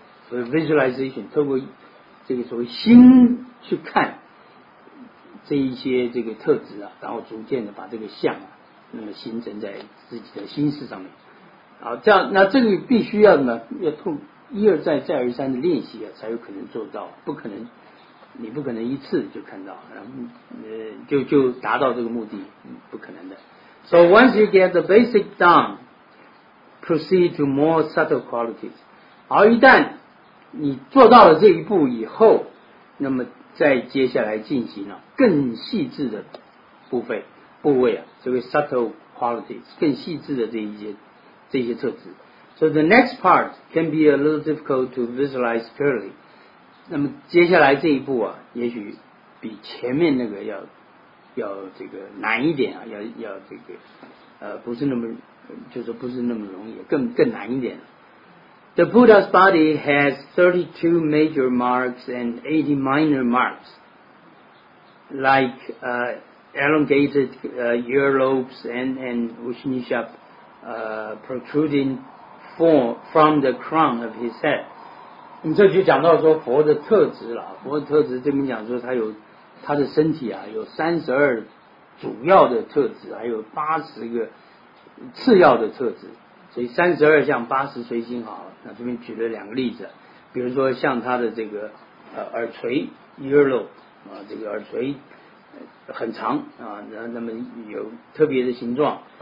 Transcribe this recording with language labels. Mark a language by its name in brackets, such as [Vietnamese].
[Chinese] visualization， 透过这个所谓心去看这一些这个特质啊，然后逐渐的把这个像啊，那么形成在自己的心识上面。好，这样那这个必须要什么？要通一而再再而三的练习啊，才有可能做到，不可能。你不可能一次就看到，然后就达到这个目的，不可能的。 [English] So once you get the basic down, proceed to more subtle qualities. [Chinese] 好，一旦你做到了这一步以后，那么再接下来进行了更细致的部位啊，这个 [English] subtle qualities， [Chinese] 更细致的这些特质。 [English] So the next part can be a little difficult to visualize clearly. [Chinese] 那么接下来这一步啊，也许比前面那个要这个难一点啊，要这个不是那么，就是不是那么容易，更难一点。 [English] The Buddha's body has 32 major marks and 80 minor marks, like elongated ear lobes and Ushnishap protruding from the crown of his head. [Chinese] 你这就讲到说佛的特质了，佛的特质这边讲说他的身体啊有32主要的特质，还有80个次要的特质，所以32像80随心好。那这边举了两个例子，比如说像他的这个耳垂 earlobe 啊，这个耳垂很长啊，那么有特别的形状。